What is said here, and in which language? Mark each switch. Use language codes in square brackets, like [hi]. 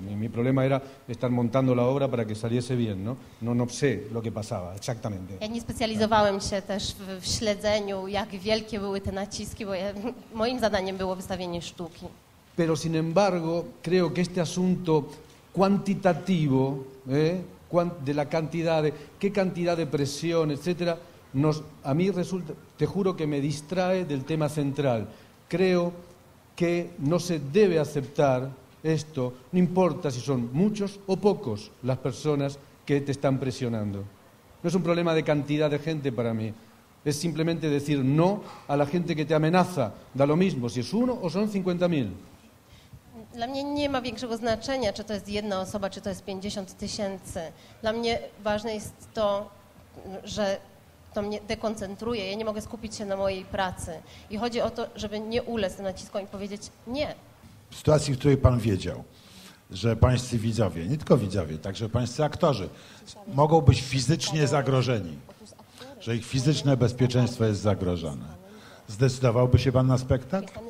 [es] Mi problema era estar montando la obra para que saliese bien, ¿no? No sé lo que pasaba exactamente. [pl] Ja nie specjalizowałem się też w śledzeniu, jak wielkie były te naciski, bo moim zadaniem było wystawienie sztuki. [es] Pero sin embargo, creo que este asunto cuantitativo, de la cantidad, qué cantidad de presión, etcétera, a mí resulta, te juro que me distrae del tema central. Creo que no se debe aceptar esto, no importa si son muchos o pocos las personas que te están presionando. No es un problema de cantidad de gente para mí. Es simplemente decir no a la gente que te amenaza. Da lo mismo si es uno o son 50,000. [pl] Dla mnie nie ma większego znaczenia, czy to jest jedna osoba, czy to jest 50,000. Dla mnie ważne jest to, że to mnie dekoncentruje, ja nie mogę skupić się na mojej pracy. I chodzi o to, żeby nie ulec naciskom i powiedzieć nie. W sytuacji, w której pan wiedział, że pańscy widzowie, nie tylko widzowie, także pańscy aktorzy, mogą być fizycznie zagrożeni, że ich fizyczne bezpieczeństwo jest zagrożone, zdecydowałby się pan na spektakl?